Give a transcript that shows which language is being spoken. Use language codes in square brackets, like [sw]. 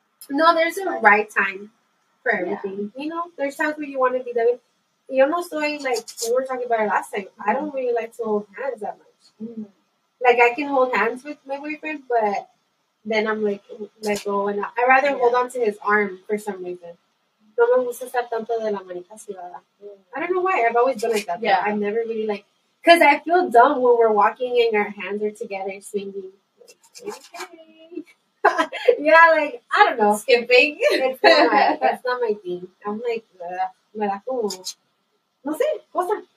[en] No, there's a right time for everything. Yeah. You know, there's times where you want to be the. You know, so like we were talking about it last time. Mm-hmm. I don't really like to hold hands that much. Like I can hold hands with my boyfriend, but then I'm like let go, and I rather hold on to his arm for some reason. [es] No me gusta estar tanto de la manita sudada. [en] I don't know why. I've always been like that. Yeah, I've never really like because I feel dumb when we're walking and our hands are together swinging. Okay. Yeah, like I don't know. Skipping. That's not my thing. I'm like, [es] me da como. No sé, cosa.